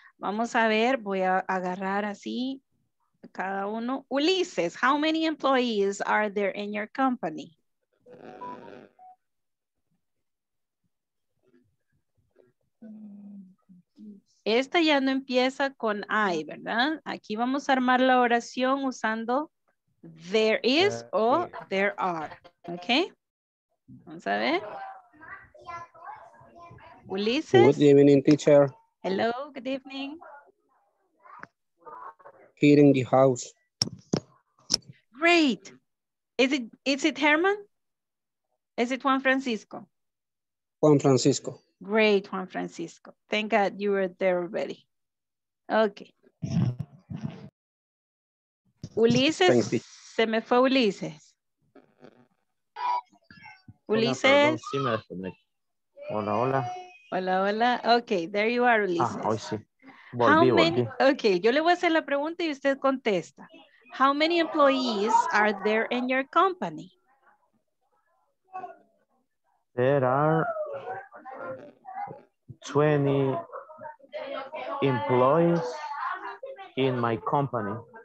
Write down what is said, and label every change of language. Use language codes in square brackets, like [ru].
[es] Vamos a ver, voy a agarrar así a cada uno. [en] Ulises, how many employees are there in your company? [es] Esta ya no empieza con I, ¿verdad? Aquí vamos a armar la oración usando [en] there is [es] o [en] there are, [es] ¿ok? Vamos a ver. Ulises. [en] Good evening, teacher. Hello, good evening. Here in the house. Great. Is it Herman? Is it Juan Francisco? Juan Francisco. Great, Juan Francisco. Thank God you were there already. Okay. [es] Ulises, se me fue Ulises. Ulises. Hola, hola. Hola, hola. [en] Okay, there you are, Ulises. [es] Ah, hoy sí. Volví. Okay, yo le voy a hacer la pregunta y usted contesta. [en] How many employees are there in your company? There are 20 employees in my company.